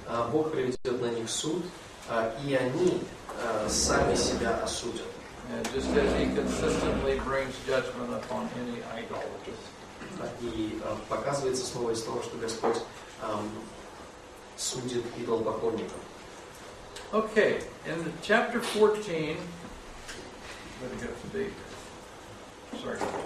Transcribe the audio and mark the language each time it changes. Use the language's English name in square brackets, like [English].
[Russian] Бог приведет на них суд, и они сами себя осудят. [English] And just as he consistently brings judgment upon any idolaters. [Russian] И показывается снова из того, что Господь судит идолопоклонников. [English] Okay, in chapter 14, let me get to the, sorry.